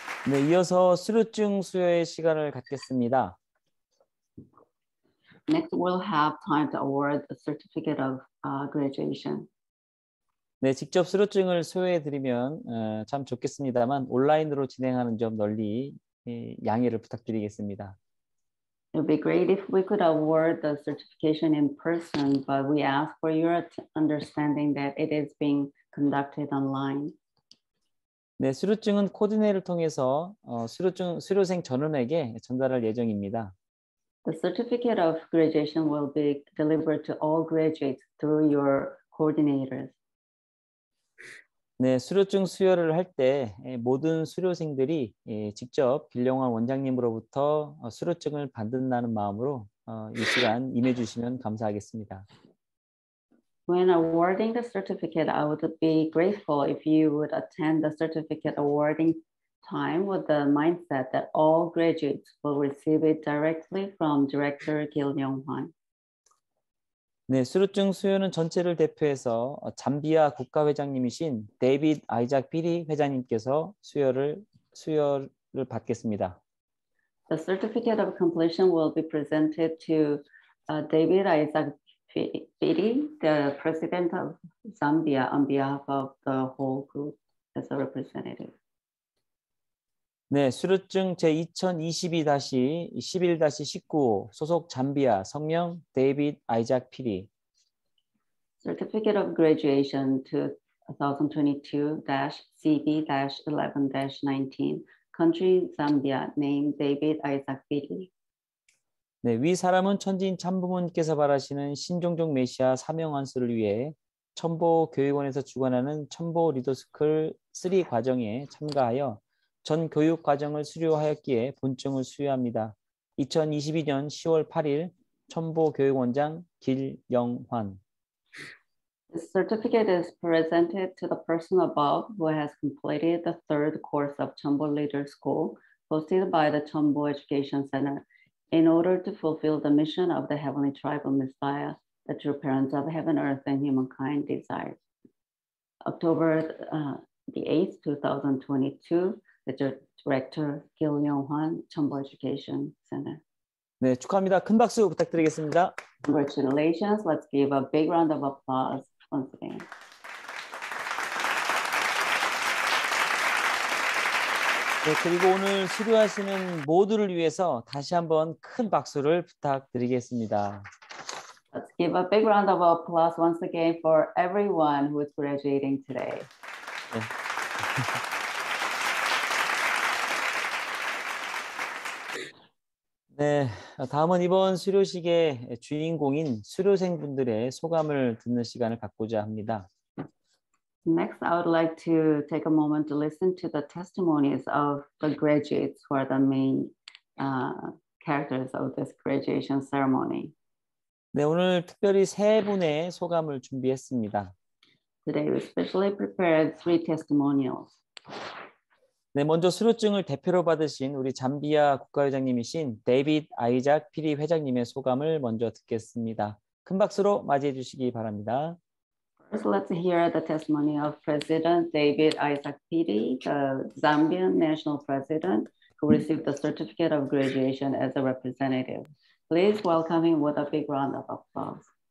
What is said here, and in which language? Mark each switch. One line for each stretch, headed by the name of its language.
Korean: 네, 이어서 수료증 수여의 시간을 갖겠습니다.
English: Next, we'll have time to award the certificate of graduation.
Korean: 네, 직접 수료증을 수여해드리면 참 좋겠습니다만 온라인으로 진행하는 점 널리 양해를 부탁드리겠습니다.
English: It would be great if we could award the certification in person, but we ask for your understanding that it is being conducted online.
Korean: 네, 수료증은 코디네이터를 통해서 수료생 전원에게 전달할 예정입니다.
English: The certificate of graduation will be delivered to all graduates through your coordinators.
Korean: 네, 수료증 수여를 할 때 모든 수료생들이 직접 빌령원 원장님으로부터 수료증을 받는다는 마음으로 이 시간 임해 주시면 감사하겠습니다.
English: When awarding the certificate, I would be grateful if you would attend the certificate awarding time with the mindset that all graduates will receive it directly from Director Gil Young-hwan.
Korean: 네, 수료증 수여는 전체를 대표해서 잠비아 국가회장님이신 데이빗 아이작 피리 회장님께서 수여를 받겠습니다.
English: The certificate of completion will be presented to David Isaac Biri, the president of Zambia, on behalf of the whole group as a representative.
Korean: 네, 수료증 제2022-11-19 소속 잠비아 성명 데이빗 아이작 피리.
English: Certificate of graduation 2022-CB-11-19 country Zambia, name David Isaac Biri.
Korean: 네, 위 사람은 천지인 참부모님께서 바라시는 신종족 메시아 사명 완수를 위해 천보 교육원에서 주관하는 천보 리더스쿨 3 과정에 참가하여 전 교육 과정을 수료하였기에 본증을 수여합니다. 2022년 10월 8일 천보 교육원장 길영환.
English: The certificate is presented to the person above who has completed the third course of Chambo Leader School hosted by the Chambo Education Center. In order to fulfill the mission of the Heavenly Tribal Messiah, the true parents of heaven, earth, and humankind desire. October the 8th, 2022, the director, Gil Young-hwan, Chambo Education Center.
Korean: 네, 축하합니다. 큰 박수 부탁드리겠습니다.
English: Congratulations. Let's give a big round of applause once again.
Korean: 네, 그리고 오늘 수료하시는 모두를 위해서 다시 한번 큰 박수를 부탁드리겠습니다.
English: Let's give a big round of applause once again for everyone who is graduating today.
Korean: 네. 네, 다음은 이번 수료식의 주인공인 수료생분들의 소감을 듣는 시간을 갖고자 합니다.
English: Next, I would like to take a moment to listen to the testimonies of the graduates who are the main characters of this graduation ceremony.
Korean: 네, 오늘 특별히 세 분의 소감을 준비했습니다.
English: Today, we specially prepared three testimonials.
Korean: 네, 먼저 수료증을 대표로 받으신 우리 잠비아 국가의장님이신 데이빗 아이작 피리 회장님의 소감을 먼저 듣겠습니다. 큰 박수로 맞이해 주시기 바랍니다.
English: First, let's hear the testimony of President David Isaac Piri, the Zambian National President, who received the certificate of graduation as a representative. Please welcome him with a big round of applause.